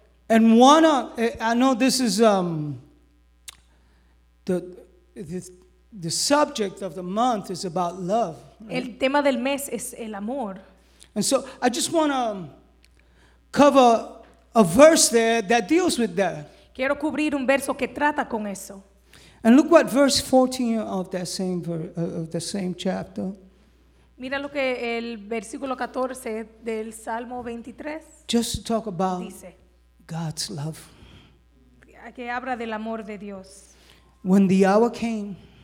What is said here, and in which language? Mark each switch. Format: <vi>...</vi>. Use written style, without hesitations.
<en>And I know this is the subject of the month is about love.</en> <es>Right? El tema del mes es el amor.</es> <en>And so I just want to cover a verse there that deals with that.</en> <es>Quiero cubrir un verso que trata con eso.</es> <en>And look what verse 14 of that same of the same chapter.</en> <es>Mira lo que el versículo 14 del Salmo 23.</es> <en>Just to talk about.</en> <es>Dice,</es> <en>God's love.</en> <es>Que habla del amor de Dios.</es> <en>When the hour came.</en>